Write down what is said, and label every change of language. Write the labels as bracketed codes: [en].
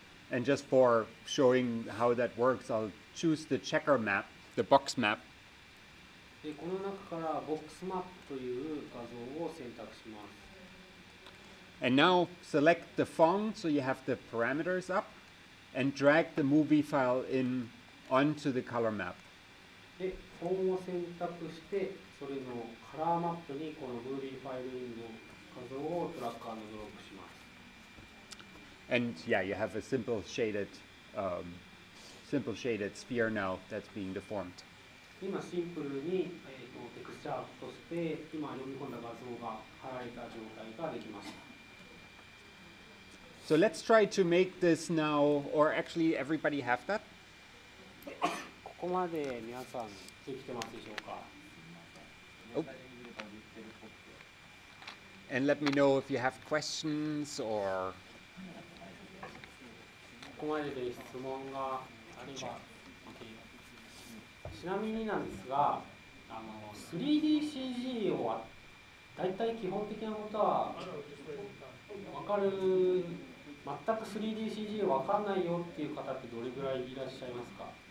[en] And just for showing how that works, I'll choose the checker map, the box map. [ja] でこの中からボックスマップという画像を選択します。 [en] And now select the font so you have the parameters up and drag the movie file in onto the color map. [ja] で、フォンを選択して、それのカラーマップにこのムービーファイルインの画像をドラッグアンドドロップします。 [en] And yeah, you have a simple shaded sphere now that's being deformed. [ja] 今シンプルに、テクスチャーとして今読み込んだ画像が貼られた状態ができました。 [en] So let's try to make this now, or actually everybody have that? [ja] ここまで皆さんできてますでしょうか、 And let me know if you have questions or... ここまでで質問があれば。ちなみになんですが、3D CG を大体基本的なことは分かる、全く 3DCG 分かんないよっていう方ってどれぐらいいらっしゃいますか？